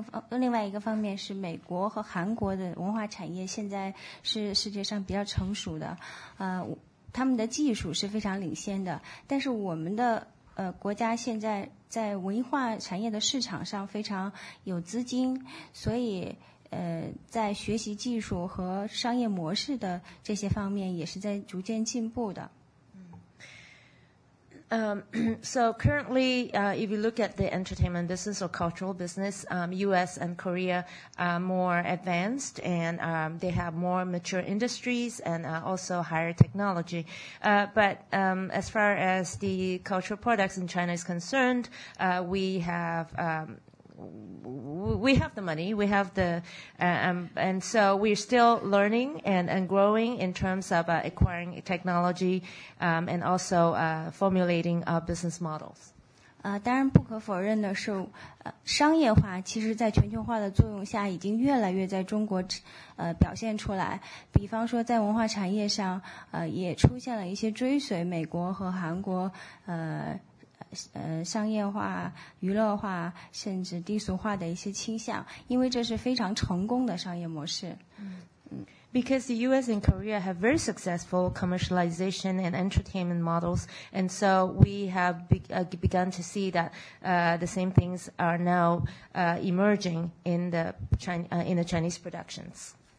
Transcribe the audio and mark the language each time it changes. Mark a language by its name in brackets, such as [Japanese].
[Chinese] 另外一个方面是美国和韩国的文化产业现在是世界上比较成熟的，他们的技术是非常领先的，但是我们的国家现在在文化产业的市场上非常有资金，所以在学习技术和商业模式的这些方面也是在逐渐进步的。 [English] So currently, if you look at the entertainment business or cultural business, U.S. and Korea are more advanced and they have more mature industries and also higher technology. But as far as the cultural products in China is concerned, we have the money, we have the, and so we're still learning and growing in terms of acquiring technology, and also formulating our business models. [Chinese] 当然不可否认的是，商业化其实在全球化的作用下已经越来越在中国表现出来。比方说在文化产业上，也出现了一些追随美国和韩国商业化、娱乐化甚至低俗化的一些倾向，因为这是非常成功的商业模式。 [English] Because the U.S. and Korea have very successful commercialization and entertainment models, and so we have begun to see that the same things are now emerging in the Chinese productions.